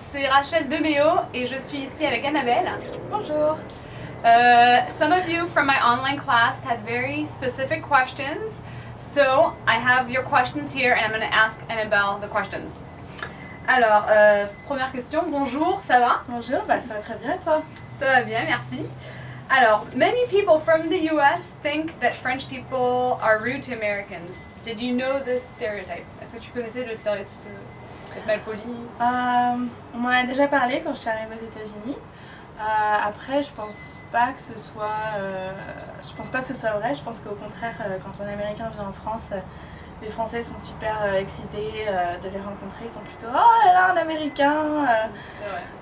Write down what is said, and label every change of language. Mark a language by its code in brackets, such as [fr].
[fr] Rachel Demeo et je suis ici avec Annabelle. Bonjour. [en] Some of you from my online class had very specific questions, so I have your questions here and I'm going to ask Annabelle the questions. [fr] Alors, première question, bonjour, ça va? Bonjour, bah, ça va très bien et toi? Ça va bien, merci. [en] Alors, many people from the US think that French people are rude to Americans. Did you know this stereotype? [fr] Est-ce que tu connaissais le stéréotype d'être mal poli? On m'en a déjà parlé quand je suis arrivée aux États-Unis. Après, je pense pas que ce soit, je pense pas que ce soit vrai. Je pense qu'au contraire, quand un Américain vient en France, les Français sont super excités de les rencontrer. Ils sont plutôt « Oh là là, un Américain !»